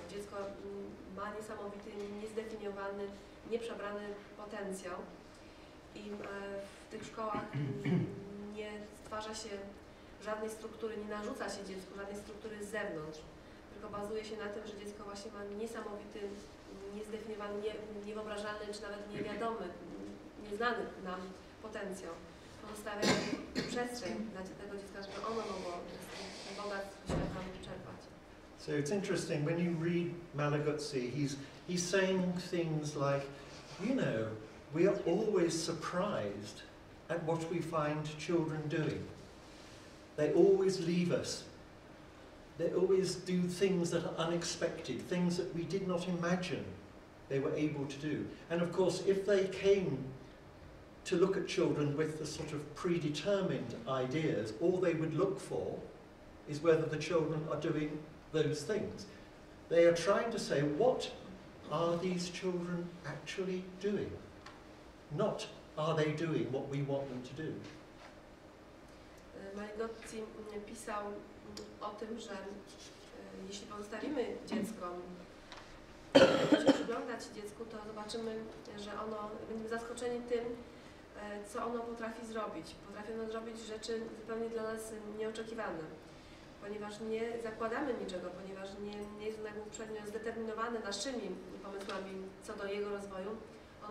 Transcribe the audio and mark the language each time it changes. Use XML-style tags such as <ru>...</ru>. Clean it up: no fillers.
<pl>Dziecko ma niesamowity, niezdefiniowany, nieprzebrany potencjał i w tych szkołach nie stwarza się żadnej struktury, nie narzuca się dziecku żadnej struktury z zewnątrz, tylko bazuje się na tym, że dziecko właśnie ma niesamowity, niezdefiniowany, niewyobrażalny, czy nawet niewiadomy, nieznany nam potencjał. Pozostawia przestrzeń dla tego dziecka, żeby ono mogło czerpać.</pl> <en>So it's interesting, when you read Malagutzi, he's saying things like, you know, we are always surprised at what we find children doing. They always leave us. They always do things that are unexpected, things that we did not imagine they were able to do. And of course, if they came to look at children with the sort of predetermined ideas, all they would look for is whether the children are doing those things. They are trying to say, what are these children actually doing? Not, are they doing what we want them to do?</en> <pl>Malagutzi pisał o tym, że jeśli pozostawimy dziecko, przyglądać dziecku, to zobaczymy, że ono, będziemy zaskoczeni tym, co ono potrafi zrobić. Potrafi ono zrobić rzeczy zupełnie dla nas nieoczekiwane. Ponieważ nie zakładamy niczego, ponieważ nie jest on uprzednio zdeterminowany naszymi pomysłami co do jego rozwoju, on</pl>